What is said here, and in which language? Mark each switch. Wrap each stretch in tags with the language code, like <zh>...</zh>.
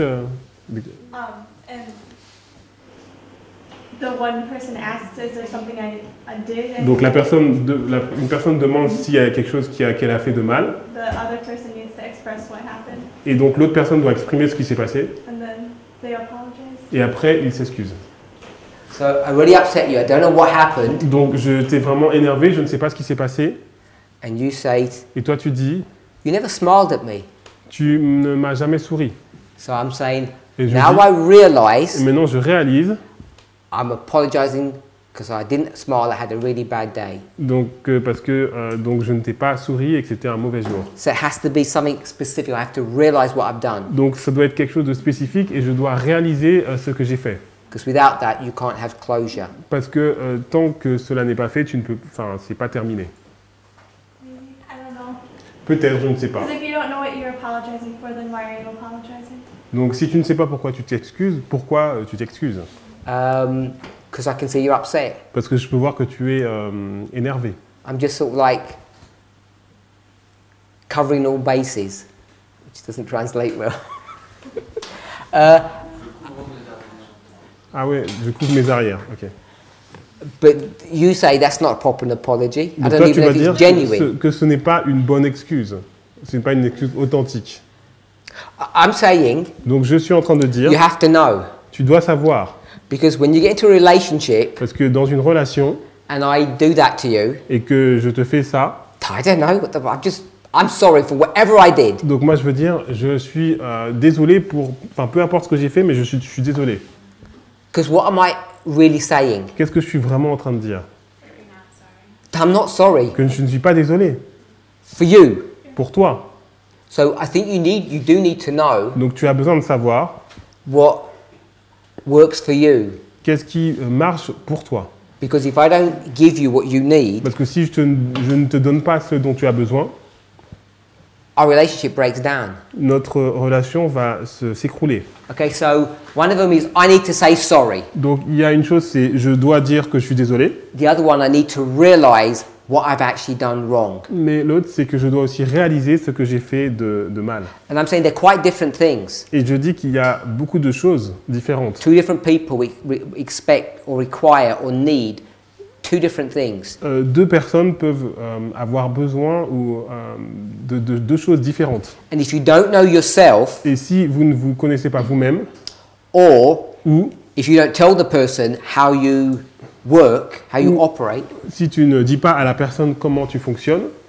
<en>And the one person asked, is there something I did? And</en> <fr>donc une personne demande s'il y a quelque chose qu'elle a fait de mal.</fr> <en>The other person needs to express what happened.</en> <fr>Et donc l'autre personne doit exprimer ce qui s'est passé.</fr> <en>And then they apologize.</en> <fr>Et après, ils s'excusent.</fr> <en>So I really upset you. I don't know what happened.</en> <fr>Donc je t'ai vraiment énervé, je ne sais pas ce qui s'est passé.</fr> <en>And you say,</en> <fr>et toi tu dis,</fr> <en>you never smiled at me.</en> <fr>Tu ne m'as jamais souri.</fr> <en>So I'm saying, now I realize,</en> <fr>et maintenant je réalise,</fr> <en>I'm apologizing because I didn't smile, I had a really bad day.</en> <fr>Donc je ne t'ai pas souri et que c'était un mauvais jour.</fr> <en>So it has to be something specific. I have to realize what I've done.</en> <fr>Donc ça doit être quelque chose de spécifique et je dois réaliser ce que j'ai fait.</fr> <en>Because without that, you can't have closure.</en> <fr>Parce que tant que cela n'est pas fait, tu ne peux, enfin, c'est pas terminé.</fr> <en>I don't know.</en> <fr>Peut-être, je ne sais pas.</fr> <en>Because if you don't know what you're apologizing for, then why are you apologizing?</en> <fr>Donc, si tu ne sais pas pourquoi tu t'excuses, pourquoi tu t'excuses?</fr> <en>Because I can see you're upset.</en> <fr>Parce que je peux voir que tu es énervé.</fr> <en>I'm just sort of like covering all bases, which doesn't translate well.</en> <fr>Ah ouais, je couvre mes arrières, ok.</fr> <en>But you say that's not a proper apology.</en> <fr>Donc</fr> <en>I don't</en> <fr>toi,</fr> <en>even</en> <fr>tu vas</fr> <en>know</en> <fr>dire</fr> <en>if it's genuine.</en> <fr>Que ce n'est pas une bonne excuse. Ce n'est pas une excuse authentique.</fr> <en>I'm saying.</en> <fr>Donc je suis en train de dire.</fr> <en>You have to know.</en> <fr>Tu dois savoir.</fr> <en>Because when you get into a relationship.</en> <fr>Parce que dans une relation.</fr> <en>And I do that to you.</en> <fr>Et que je te fais ça.</fr> <en>I don't know. I'm sorry for whatever I did.</en> <fr>Donc moi je veux dire, je suis désolé pour, enfin peu importe ce que j'ai fait, mais je suis désolé.</fr> <en>Because what am I really saying?</en> <fr>Qu'est-ce que je suis vraiment en train de dire?</fr> <en>I'm not sorry.</en> <fr>Que je ne suis pas désolé.</fr> <en>For you.</en> <fr>Pour toi.</fr> <en>So I think you do need to know.</en> <fr>Donc tu as besoin de savoir.</fr> <en>What works for you.</en> <fr>Qu'est-ce qui marche pour toi?</fr> <en>Because if I don't give you what you need.</en> <fr>Parce que si je ne te donne pas ce dont tu as besoin.</fr> <en>Our relationship breaks down.</en> <fr>Notre relation va s'écrouler.</fr> <en>Okay, so one of them is I need to say sorry.</en> <fr>Donc il y a une chose, c'est je dois dire que je suis désolé.</fr> <en>The other one, I need to realize what I've actually done wrong.</en> <fr>Mais l'autre, c'est que je dois aussi réaliser ce que j'ai fait de mal.</fr> <en>And I'm saying they're quite different things.</en> <fr>Et je dis qu'il y a beaucoup de choses différentes.</fr> <en>Two different people expect or require or need. Two different things.</en> <fr>Deux personnes peuvent avoir besoin ou de deux choses différentes.</fr> <en>And if you don't know yourself,</en> <fr>et si vous ne vous connaissez pas vous-même,</fr> <en>or</en> <fr>ou</fr> <en>if you don't tell the person how you work, how you operate,</en> <fr>si tu ne dis pas à la personne comment tu fonctionnes,</fr>